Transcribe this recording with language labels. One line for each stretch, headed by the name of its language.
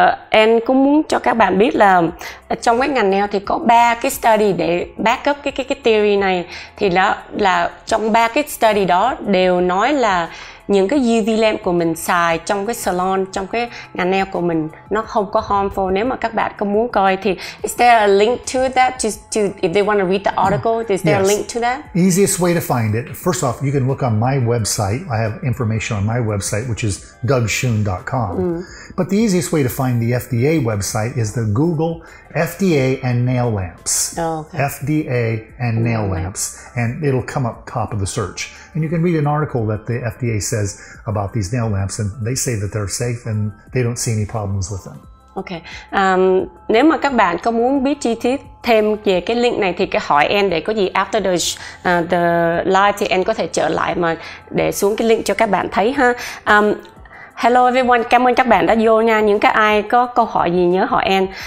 Vietnamese: Anh cũng muốn cho các bạn biết là trong cái ngành nail thì có ba cái study để back up cái theory này. Thì đó là trong ba cái study đó đều nói là những cái UV lamp của mình xài trong cái salon, trong cái ngành nail của mình nó không có harmful. Nếu mà các bạn có muốn coi thì
English: is there a link to that? To if they want to read the article, is there a link to that? Easiest way to find it. First off, you can look on my website. I have information on my website, which is dougshoon.com. Mm. But the easiest way to find the FDA website is the Google FDA and nail lamps. Oh, okay. FDA and nail lamps. And it'll come up top of the search. And you can read an article that the FDA says about these nail lamps, and they say that they're safe and they don't see any problems with them. Okay.
Vietnamese: Nếu mà các bạn có muốn biết chi tiết thêm về cái link này thì cái hỏi em để có gì
English: after the live
Vietnamese: thì em có thể trở lại mà để xuống cái link cho các bạn thấy ha.
English: Hello everyone,
Vietnamese: cảm ơn các bạn đã vô nha. Những cái ai có câu hỏi gì nhớ hỏi em.